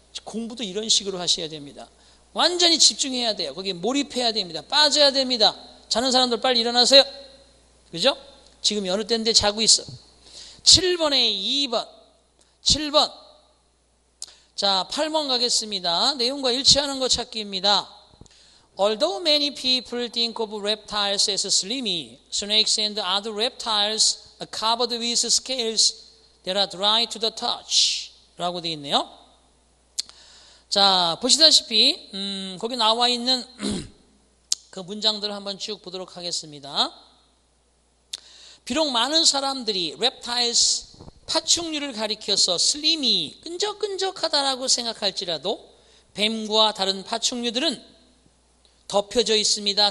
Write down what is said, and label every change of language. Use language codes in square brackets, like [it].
[ko] 공부도 이런 식으로 하셔야 됩니다. 완전히 집중해야 돼요. 거기에 몰입해야 됩니다. 빠져야 됩니다. 자는 사람들 빨리 일어나세요. 그죠? 지금 어느 때인데 자고 있어. 7번에 2번. 7번. 자, 8번 가겠습니다. 내용과 일치하는 것 찾기입니다. [en] Although many people think of reptiles as slimy, snakes and other reptiles are covered with scales that are dry to the touch. [ko] 라고 되어 있네요. 자, 보시다시피 거기 나와 있는 그 문장들을 한번 쭉 보도록 하겠습니다. 비록 많은 사람들이 reptiles 파충류를 가리켜서 슬림이 끈적끈적하다라고 생각할지라도 뱀과 다른 파충류들은 덮여져 있습니다.